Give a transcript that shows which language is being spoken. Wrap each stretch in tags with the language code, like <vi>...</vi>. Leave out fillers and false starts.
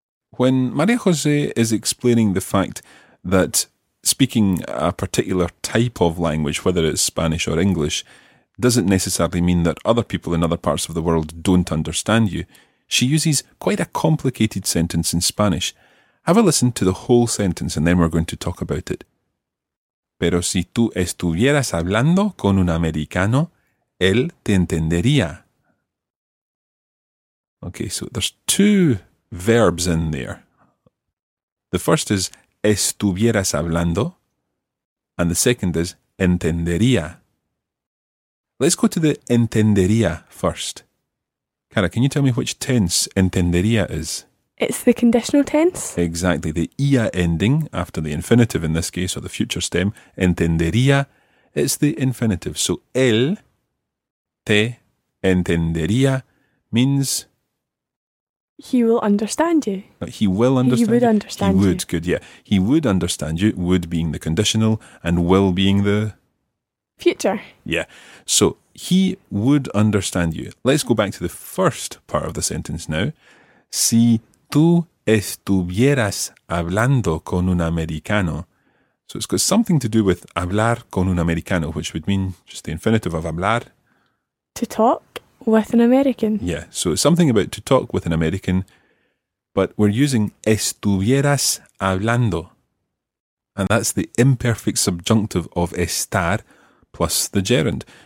<en>When María José is explaining the fact that speaking a particular type of language, whether it's Spanish or English, doesn't necessarily mean that other people in other parts of the world don't understand you, she uses quite a complicated sentence in Spanish. Have a listen to the whole sentence and then we're going to talk about it.</en> <es>Pero si tú estuvieras hablando con un americano, él te entendería.</es> <en>Okay, so there's two verbs in there. The first is estuvieras hablando, and the second is entendería. Let's go to the entendería first. Cara, can you tell me which tense entendería is? It's the conditional tense. Exactly, the ia ending after the infinitive in this case, or the future stem, entendería, it's the infinitive. So</en> <es>él te entendería</es> <en>means... He will understand you. No, he will understand you. He would you. Understand he you. He would, good, yeah. He would understand you, would being the conditional, and will being the... Future. Yeah. So, he would understand you. Let's go back to the first part of the sentence now.</en> <es>Si tú estuvieras hablando con un americano.</es> <en>So, it's got something to do with</en> <es>hablar con un americano,</es> <en>which would mean just the infinitive of hablar. To talk. With an American. Yeah, so it's something about to talk with an American, but we're using estuvieras hablando. And that's the imperfect subjunctive of estar plus the gerund.</en>